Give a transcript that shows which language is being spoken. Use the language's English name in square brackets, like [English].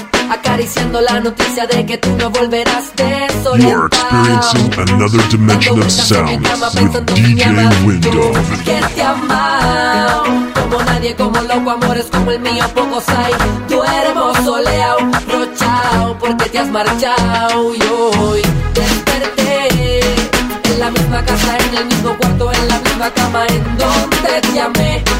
[Spanish] Acariciando la noticia de que tú no volverás de sol. [English] You are experiencing another dimension of sound with DJ Window. [Spanish] ¿Quién te ama? Como nadie, como loco, amores como el mío, pocos hay. Duermo soleado, rochao, porque te has marchado. Y hoy desperté en la misma casa, en el mismo cuarto, en la misma cama, en donde te amé.